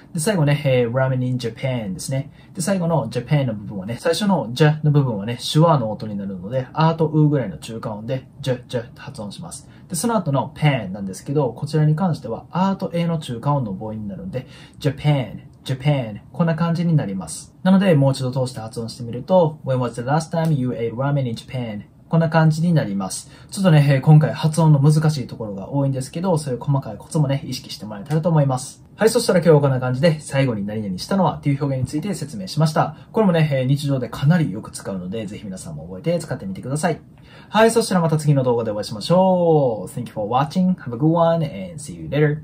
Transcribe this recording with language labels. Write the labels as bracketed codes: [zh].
[ja] で、最後ね、ラーメン [en] in Japan [ja] ですね。で、最後の Japan の部分はね、最初の J の部分はね、手話の音になるので、あとうぐらいの中間音で、J と発音します。で、その後の Pan なんですけど、こちらに関しては、あと A の中間音の母音になるんで、Japan、こんな感じになります。なので、もう一度通して発音してみると、 [en] When was the last time you ate ramen in Japan? [ja] こんな感じになります。ちょっとね、今回発音の難しいところが多いんですけど、そういう細かいコツもね、意識してもらえたらと思います。はい、そしたら今日はこんな感じで、最後に何々したのはっていう表現について説明しました。これもね、日常でかなりよく使うので、ぜひ皆さんも覚えて使ってみてください。はい、そしたらまた次の動画でお会いしましょう。 [en] Thank you for watching. Have a good one and see you later.